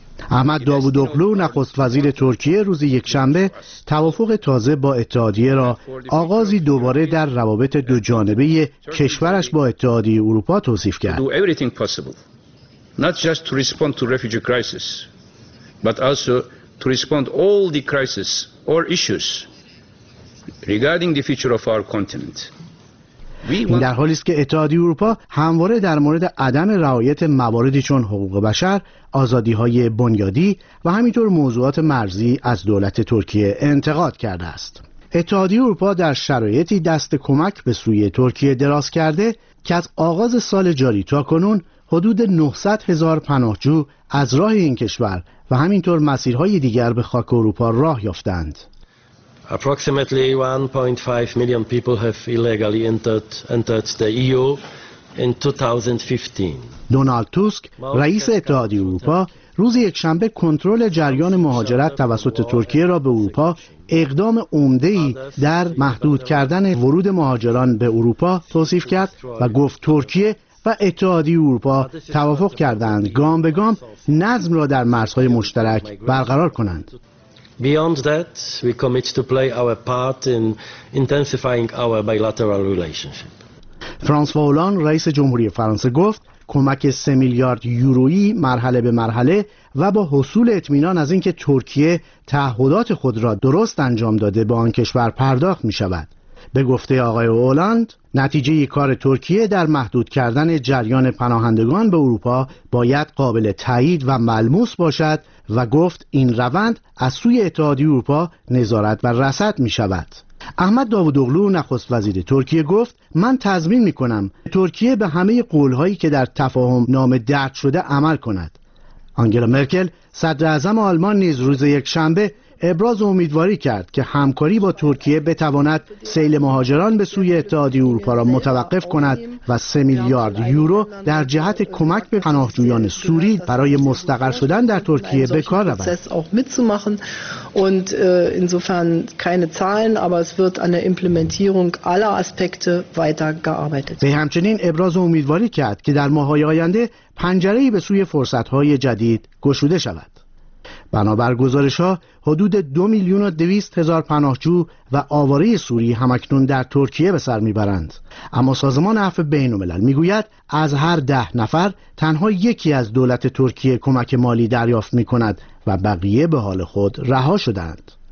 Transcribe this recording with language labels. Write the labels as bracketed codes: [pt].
[fa] احمد داوودوغلو نخست وزیر ترکیه روز یکشنبه توافق تازه با اتحادیه را آغازی دوباره در روابط دو جانبه کشورش با اتحادیه اروپا توصیف کرد. [en] but also to respond all the crises or issues regarding the future of our continent. [fa] این در حالی است که اتحادیه اروپا همواره در مورد عدم رعایت مواردی چون حقوق بشر، آزادی‌های بنیادی و همینطور موضوعات مرزی از دولت ترکیه انتقاد کرده است. اتحادیه اروپا در شرایطی دست کمک به سوی ترکیه دراز کرده که از آغاز سال جاری تا کنون حدود 900 هزار پناهجو از راه این کشور و همینطور مسیرهای دیگر به خاک اروپا راه یافتند. [en] Approximately 1.5 million people have illegally entered the EU in 2015. [fa] دونالد توسک رئیس اتحادیه اروپا روز یکشنبه کنترل جریان مهاجرت توسط ترکیه را به اروپا اقدام عمده‌ای در محدود کردن ورود مهاجران به اروپا توصیف کرد و گفت ترکیه و اتحادیه اروپا توافق کردند گام به گام نظم را در مرزهای مشترک برقرار کنند. [en] Beyond that, we commit to play our part in intensifying our bilateral relationship. [fa] فرانسوا اولان رئیس جمهوری فرانسه گفت کمک 3 میلیارد یورویی مرحله به مرحله و با حصول اطمینان از اینکه ترکیه تعهدات خود را درست انجام داده با آن کشور پرداخت می شود. به گفته آقای اولاند نتیجه کار ترکیه در محدود کردن جریان پناهندگان به اروپا باید قابل تایید و ملموس باشد و گفت این روند از سوی اتحادیه اروپا نظارت و رصد می شود. احمد داوودوغلو نخست وزیر ترکیه گفت من تضمین می کنم ترکیه به همه قولهایی که در تفاهم نامه درج شده عمل کند. آنگلا مرکل صدر اعظم آلمان نیز روز یک شنبه ابراز امیدواری کرد که همکاری با ترکیه بتواند سیل مهاجران به سوی اتحادیه اروپا را متوقف کند و 3 میلیارد یورو در جهت کمک به پناهجویان سوری برای مستقر شدن در ترکیه به کار رود. [de] Und insofern keine Zahlen, aber es wird an der Implementierung aller Aspekte weitergearbeitet. [fa] به همچنین ابراز امیدواری کرد که در ماه‌های آینده پنجره‌ای به سوی فرصت‌های جدید گشوده شود. بنابر گزارش ها حدود 2,200,000 پناهجو و آواره سوری همکنون در ترکیه به سر میبرند. اما سازمان عفو بین الملل میگوید از هر 10 نفر تنها یکی از دولت ترکیه کمک مالی دریافت میکند و بقیه به حال خود رها شدند.